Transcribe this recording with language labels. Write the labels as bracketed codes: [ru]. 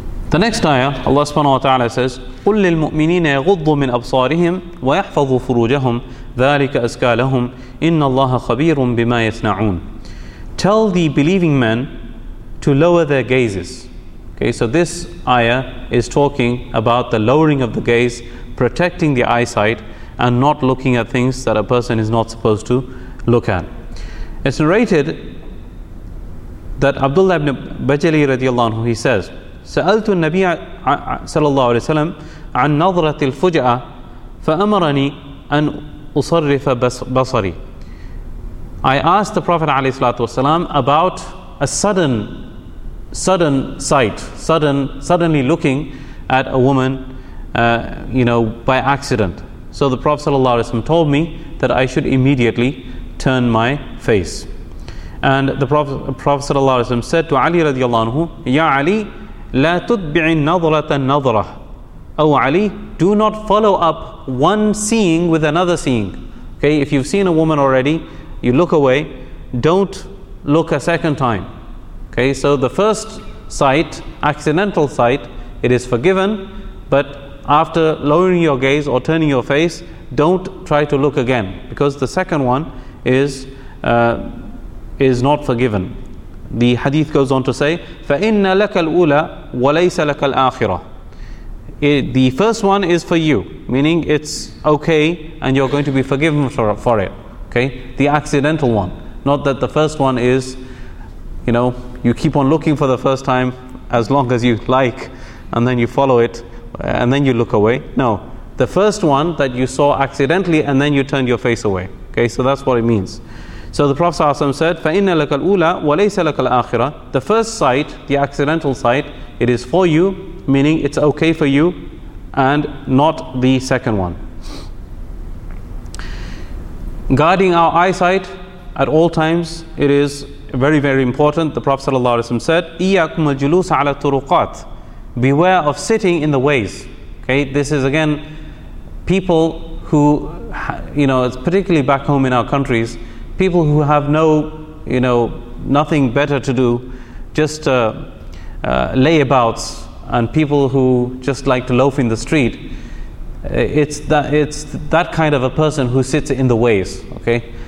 [en] The next ayah, Allah subhanahu wa ta'ala says, [ar] قُلْ لِلْمُؤْمِنِينَ يَغُضُّ مِنْ أَبْصَارِهِمْ وَيَحْفَظُوا فُرُوجَهُمْ ذَلِكَ أَزْكَى لَهُمْ إِنَّ اللَّهَ خَبِيرٌ بِمَا يَصْنَعُونَ. [en] Tell the believing men to lower their gazes. Okay, so this ayah is talking about the lowering of the gaze, protecting the eyesight, and not looking at things that a person is not supposed to look at. It's narrated that Abdullah ibn Bajali radiallahu anhu, he says, [ar] سألت النبي صلى الله عليه وسلم عن نظرة الفجأة فأمرني أن أصرف بصري. [en] I asked the Prophet عليه الصلاة والسلام about a sudden sight, suddenly looking at a woman, by accident. So the Prophet صلى الله عليه وسلم told me that I should immediately turn my face. And the Prophet [ar] صلى الله عليه وسلم [en] said to Ali [ar] رضي الله عنه, يا علي لا تتبع النظرة النظرة. [en] Oh Ali, do not follow up one seeing with another seeing. Okay, if you've seen a woman already, you look away, don't look a second time. Okay, so the first sight, accidental sight, it is forgiven, but after lowering your gaze or turning your face, don't try to look again, because the second one is not forgiven. The hadith goes on to say, [ar] فَإِنَّ لَكَ الْأُولَى وَلَيْسَ لَكَ الْآخِرَةِ. [en] The first one is for you, meaning it's okay and you're going to be forgiven for it. Okay, the accidental one. Not that the first one is, you know, you keep on looking for the first time as long as you like and then you follow it and then you look away. No, the first one that you saw accidentally and then you turned your face away. Okay, so that's what it means. So the Prophet ﷺ said, [ar] فَإِنَّ لَكَ الْأُولَى وَلَيْسَ لَكَ الْآخِرَةِ. [en] The first sight, the accidental sight, it is for you, meaning it's okay for you, and not the second one. Guarding our eyesight at all times, it is very, very important. The Prophet ﷺ said, [ar] إِيَّاكُمُ الْجُلُوسَ عَلَى الطُّرُقَاتِ. [en] Beware of sitting in the ways. Okay, this is again, people who, you know, it's particularly back home in our countries, people who have nothing better to do, just layabouts, and people who just like to loaf in the street, it's that kind of a person who sits in the ways, okay?